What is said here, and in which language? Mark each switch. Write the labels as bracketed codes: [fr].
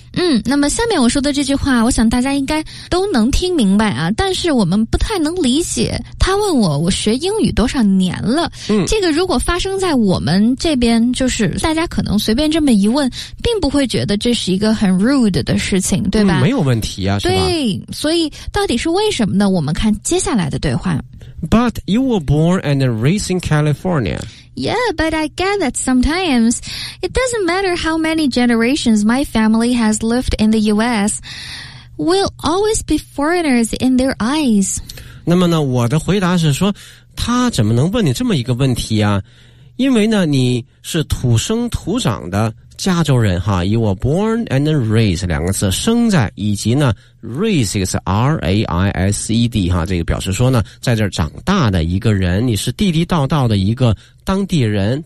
[zh] 嗯，那么下面我说的这句话我想大家应该都能听明白啊，但是我们不太能理解，他问我学英语多少年了。嗯，这个如果发生在我们这边，就是大家可能随便这么一问并不会觉得这是一个很 rude 的事情，对吧？嗯，没有问题啊，是吧？对，所以到底是为什么呢？我们看接下来的对话。 [en] But you were born and raised in California. Yeah, but I get that sometimes. It doesn't matter how many generations my family has lived in the U.S. We'll always be foreigners in their eyes. [zh] 那么呢，我的回答是说，他怎么能问你这么一个问题啊？因为呢，你是土生土长的加州人哈。 [en] You were born and raised [zh] 两个字，生在以及呢 raised 是 R-A-I-S-E-D 哈，这个表示说呢在这儿长大的一个人，你是地地道道的一个当地人。